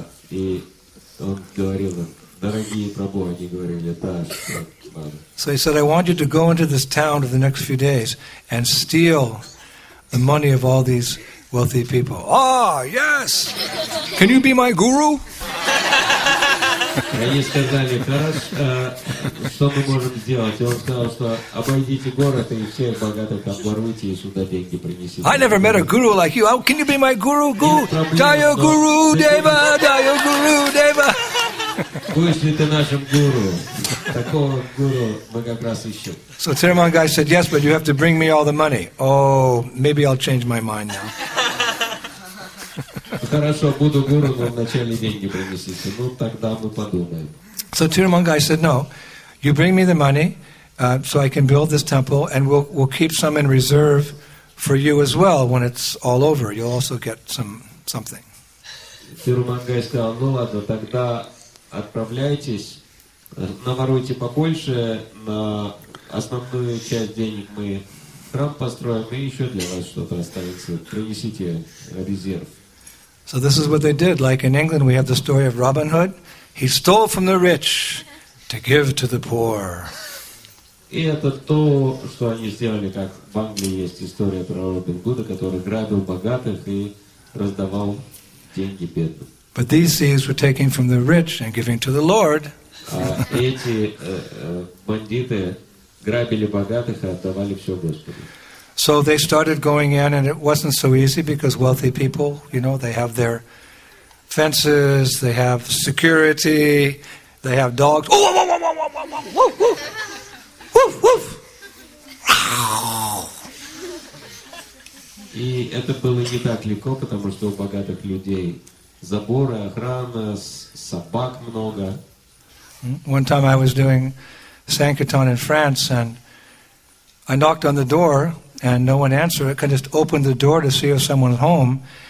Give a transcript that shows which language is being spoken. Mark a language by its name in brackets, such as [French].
[Russian] И он говорил им: "Дорогие Прабху", они говорили: "Да, что надо". [English] So he said, "I want you to go into this town for the next few days and steal the money of all these wealthy people." "Ah, yes! Can you be my guru?" [Russian] Они сказали: "Хорошо, что мы можем сделать?" И он сказал, что обойдите город и все богатых обворуйте и сюда деньги принесите. [English] "I never met a guru like you. How can you be my guru? Guru, [Sanskrit] Jaya Guru Deva, Jaya Guru Deva." [Russian] Будешь ли ты нашим гуру? Такого гуру мы как раз ищем. [English] So Tirumangai said, "Yes, but you have to bring me all the money." "Oh, maybe I'll change my mind now." [Russian] "Хорошо, буду гуру, но вначале деньги принесите." "Ну, тогда мы подумаем." [English] So Tirumangai said, "No, you bring me the money, so I can build this temple, and we'll keep some in reserve for you as well when it's all over. You'll also get something." [Russian] Tirumangai сказал: "Ну ладно, тогда отправляйтесь, наворуйте побольше, на основную часть денег мы храм построим, и еще для вас что-то останется, принесите резерв." [English] So this is what they did. Like in England, we have the story of Robin Hood. He stole from the rich to give to the poor. [Russian] И это то, что они сделали, как в Англии есть история про Робин Гуда, который грабил богатых и раздавал деньги бедным. [English] But these thieves were taking from the rich and giving to the Lord. [Russian] Эти бандиты грабили богатых и отдавали все Господу. [English] So they started going in, and it wasn't so easy because wealthy people, you know, they have their fences, they have security, they have dogs. Oh, woof, woof, woof, woof, woof, woof, woof. [Russian] И это было не так легко, потому что у богатых людей заборы, охрана, собак много. [English] One time I was doing Sankirtan in France, and I knocked on the door. And no one answered. I could just open the door to see if someone's home.